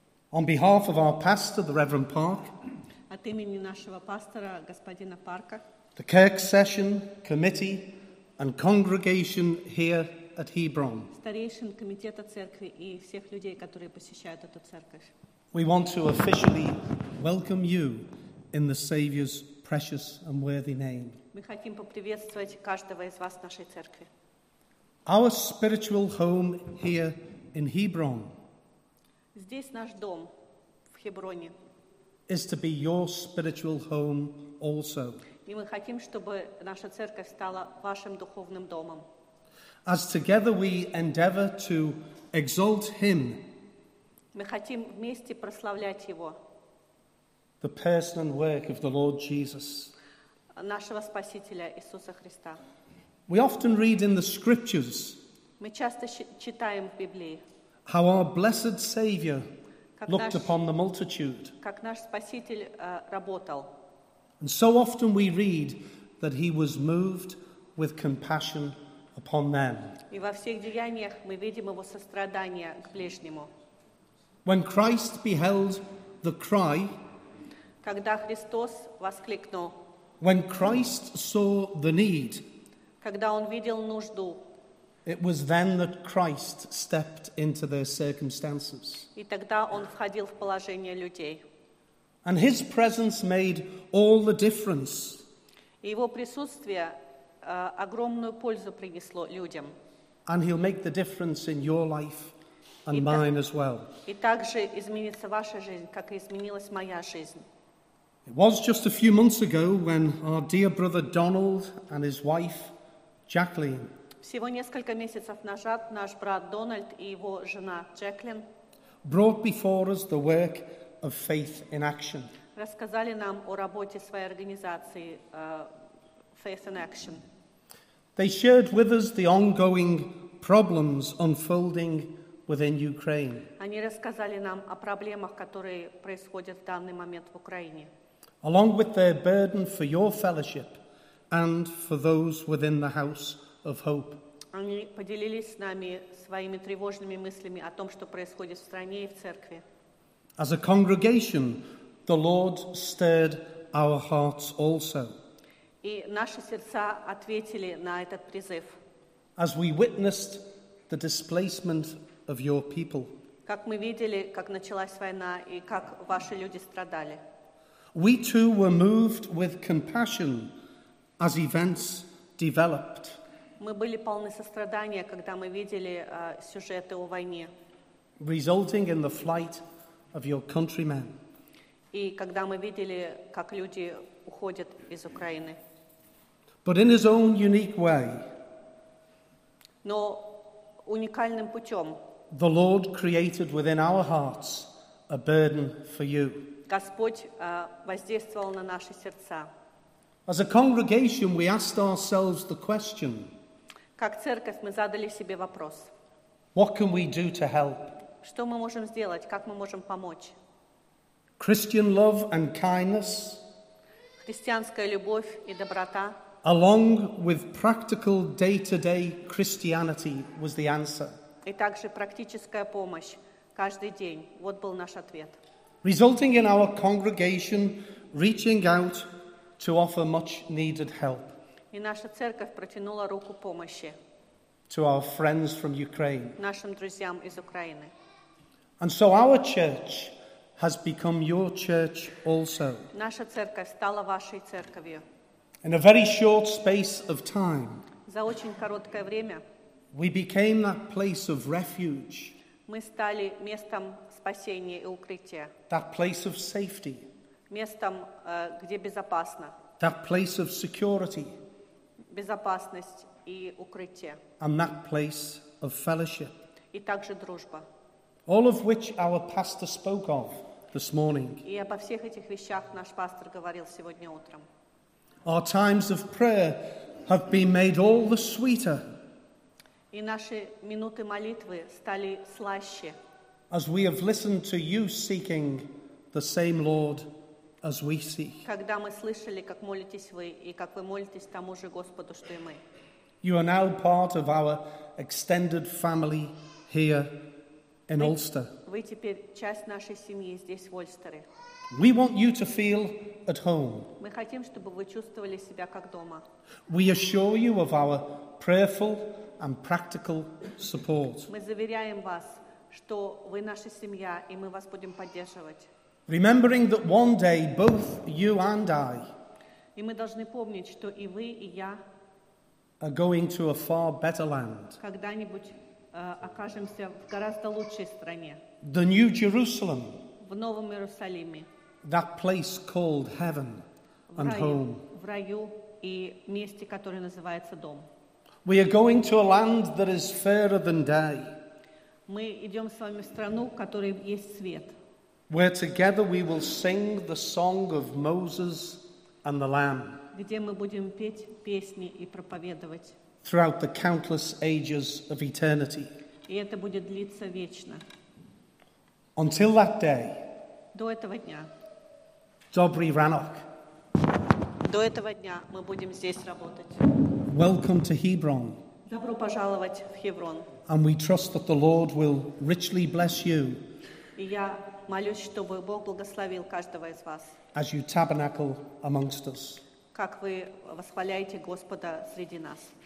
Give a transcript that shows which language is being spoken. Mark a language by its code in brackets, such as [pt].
[en] On behalf of our pastor, the Reverend Park, [ru] от имени нашего пастора, господина Парка, [en] the Kirk Session Committee and congregation here at Hebron, [ru] старейшин комитета церкви и всех людей, которые посещают эту церковь, [en] we want to officially welcome you in the Savior's precious and worthy name. [ru] Мы хотим поприветствовать каждого из вас в нашей церкви. [en] Our spiritual home here in Hebron. [ru] Здесь наш дом в Хеброне. [en] Is to be your spiritual home also. [ru] И мы хотим, чтобы наша церковь стала вашим духовным домом. [en] As together we endeavor to exalt him. [ru] Мы хотим вместе прославлять его. [en] The person and work of the Lord Jesus. [ru] Нашего спасителя Иисуса Христа. [en] We often read in the scriptures. [ru] Мы часто читаем в Библии. [en] How our blessed Savior looked upon the multitude. [ru] Как наш спаситель работал. [en] And so often we read that he was moved with compassion upon them. [ru] И во всех деяниях мы видим его сострадание к ближнему. [en] When Christ beheld the cry. [ru] Когда Христос воскликнул. [en] When Christ saw the need. [ru] Когда он видел нужду. [en] It was then that Christ stepped into their circumstances. [ru] И тогда он входил в положение людей. [en] And his presence made all the difference. [ru] Его присутствие огромную пользу принесло людям. [en] And he'll make the difference in your life and mine as well. [ru] И также изменится ваша жизнь, как и изменилась моя жизнь. [en] It was just a few months ago when our dear brother Donald and his wife Jacqueline. [ru] Всего несколько месяцев назад наш брат Дональд и его жена Джеклин [en] brought before us the work of Faith in Action. [ru] Рассказали нам о работе своей организации Faith in Action. [en] They shared with us the ongoing problems unfolding within Ukraine. [ru] Они рассказали нам о проблемах, которые происходят в данный момент в Украине. [en] Along with their burden for your fellowship and for those within the House of Hope. [ru] Они поделились с нами своими тревожными мыслями о том, что происходит в стране и в церкви. [en] As a congregation, the Lord stirred our hearts also. [ru] И наши сердца ответили на этот призыв. [en] As we witnessed the displacement of your people. [ru] Как мы видели, как началась война и как ваши люди страдали. [en] We too were moved with compassion as events developed. [ru] Мы были полны сострадания, когда мы видели сюжеты о войне. [en] Resulting in the flight of your countrymen. [ru] И когда мы видели, как люди уходят из Украины. [en] But in his own unique way. [ru] Но уникальным путем. [en] The Lord created within our hearts a burden for you. [ru] Господь воздействовал на наши сердца. [en] As a congregation, we asked ourselves the question. [ru] Как церковь мы задали себе вопрос. [en] What can we do to help? [ru] Что мы можем сделать? Как мы можем помочь? [en] Christian love and kindness. [ru] Христианская любовь и доброта. [en] Along with practical day-to-day Christianity was the answer. [ru] И также практическая помощь каждый день. Вот был наш ответ. [en] Resulting in our congregation reaching out to offer much needed help. [ru] И наша церковь протянула руку помощи. [en] To our friends from Ukraine. [ru] Нашим друзьям из Украины. [en] And so our church has become your church also. [ru] Наша церковь стала вашей церковью. [en] In a very short space of time. [ru] За очень короткое время. [en] We became that place of refuge. [ru] Мы стали местом спасения и укрытия. [en] That place of safety. [ru] Местом, где безопасно. [en] That place of security. [ru] Безопасность и укрытие. [en] And that place of fellowship. [ru] И также дружба. [en] All of which our pastor spoke of this morning. [ru] И обо всех этих вещах наш пастор говорил сегодня утром. [en] Our times of prayer have been made all the sweeter. [ru] И наши минуты молитвы стали слаще. [en] As we have listened to you seeking the same Lord as we seek. [ru] Когда мы слышали, как молитесь вы и как вы молитесь тому же Господу, что и мы. [en] You are now part of our extended family here in Ulster. [ru] Вы теперь часть нашей семьи здесь в Ульстере. [en] We want you to feel at home. [ru] Мы хотим, чтобы вы чувствовали себя как дома. [en] We assure you of our prayerful and practical support. [ru] Мы заверяем вас, что вы наша семья, и мы вас будем поддерживать. [en] Remembering that one day both you and I. [ru] И мы должны помнить, что и вы, и я. [en] Are going to a far better land. [ru] Когда-нибудь окажемся в гораздо лучшей стране. [en] The New Jerusalem. [ru] В Новом Иерусалиме. [en] That place called heaven and home. [ru] В раю и месте, которое называется дом. [en] We are going to a land that is fairer than day. [ru] Мы идем с вами в страну, в которой есть свет. [en] Where together we will sing the song of Moses and the Lamb. [ru] Где мы будем петь песни и проповедовать. [en] Throughout the countless ages of eternity. [ru] И это будет длиться вечно. [en] Until that day. [ru] До этого дня. [uk] Dobrý ranok. [ru] До этого дня мы будем здесь работать. [en] Welcome to Hebron. [ru] Добро пожаловать в Хеврон. [en] And we trust that the Lord will richly bless you. [ru] И я молюсь, чтобы Бог благословил каждого из вас. [en] As you tabernacle amongst us. [ru] Как вы восхваляете Господа среди нас.